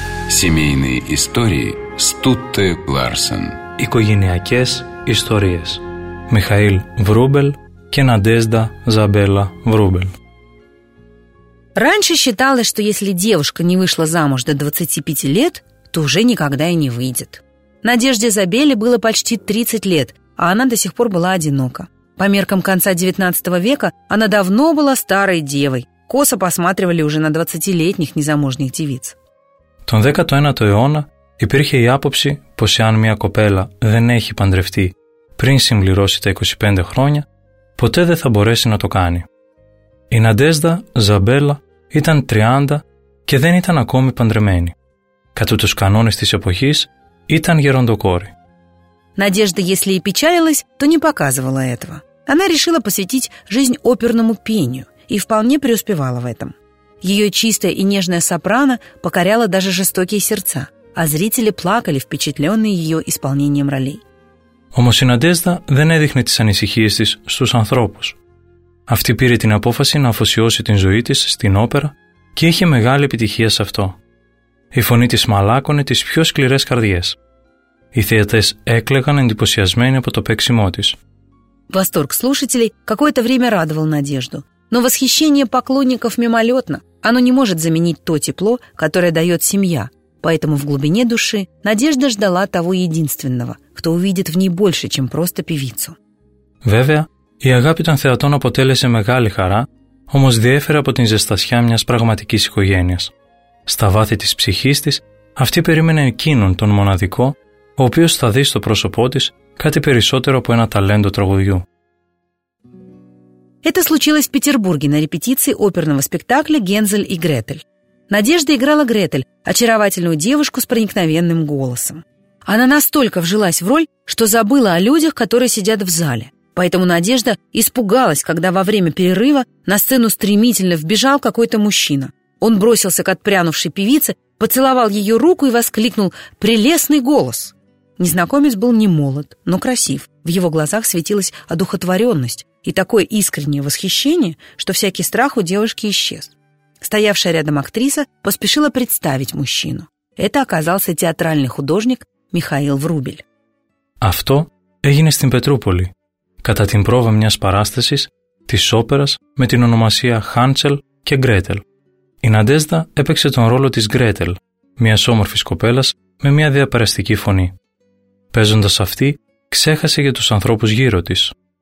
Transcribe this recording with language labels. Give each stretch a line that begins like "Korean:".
Russian: Семейные истории Стутте Ларсен.
Greek: Οικογενειακές ιστορίες. Михаил Врубель και Надежда Забела Врубель.
Russian: Раньше считалось, что если девушка не вышла замуж до 25 лет, то уже никогда и не выйдет. Надежде Забеле было почти 30 лет, а она до сих пор была одинока. По меркам конца 19 века она давно была старой девой. Косо посматривали уже на 20-летних незамужних девиц. Тон 19 века
Greek: Υπήρχε η άποψη πως εάν μια κοπέλα δεν έχει παντρευτεί πριν συμπληρώσει τα 25 χρόνια, ποτέ δεν θα μπορέσει να το κάνει. Η Ναντέζδα Ζαμπέλα ήταν 30 και δεν ήταν ακόμη παντρεμένη. Κατά τους κανόνες της εποχής, ήταν γεροντοκόρη.
Russian: Надежда, если и печалилась, то не показывала этого. Она решила посвятить жизнь оперному пению и вполне преуспевала в этом. Ее чистая и нежная сопрано покоряла даже жестокие сердца, а зрители плакали, впечатленные ее исполнением ролей.
Greek: Όμως η Надέζδα δεν έδειχνε τις ανησυχίες της στους ανθρώπους. Αυτή πήρε την απόφαση να αφοσιώσει την ζωή της στην όπερα και είχε μεγάλη επιτυχία σε αυτό. Η φωνή της μαλάκωνε τις πιο σκληρές καρδιές. Οι θεατές έκλαιγαν εντυπωσιασμένοι από το παίξιμό της.
Russian: Восторг слушателей какое-то время радовал Надежду, но восхищение поклонников мимолетно. Оно не может заменить то тепло, которое дает семья. Поэтому в глубине души Надежда ждала того единственного, кто увидит в ней больше, чем просто певицу.
Greek: Βέβαια, η αγάπη των θεατών αποτέλεσε μεγάλη χαρά, όμως διέφερε από την ζεστασιά μιας πραγματικής οικογένειας. Στα βάθη της ψυχής της, αυτή περίμενε εκείνον τον μοναδικό, ο οποίος θα δει στο πρόσωπό της κάτι περισσότερο από ένα ταλέντο τραγουδιού.
Russian: Это случилось в Петербурге на репетиции оперного спектакля «Гензель и Гретель». Надежда играла Гретель, очаровательную девушку с проникновенным голосом. Она настолько вжилась в роль, что забыла о людях, которые сидят в зале. Поэтому Надежда испугалась, когда во время перерыва на сцену стремительно вбежал какой-то мужчина. Он бросился к отпрянувшей певице, поцеловал ее руку и воскликнул: «Прелестный голос!» Незнакомец был не молод, но красив. В его глазах светилась одухотворенность и такое искреннее восхищение, что всякий страх у девушки исчез. Стоявшая рядом актриса поспешила представить мужчину. Это оказался театральный художник Михаил Врубель.
Greek: Αυτό έγινε στην Πετρούπολη, κατά την πρόβα μιας παράστασης της όπερας με την ονομασία Hansel και Gretel. Η Ναντέζδα έπαιξε τον ρόλο της Gretel, μιας όμορφης κοπέλας με μια διαπεραστική φωνή. Παίζοντας αυτή, ξέχασε για τους ανθρώπους γύρω της.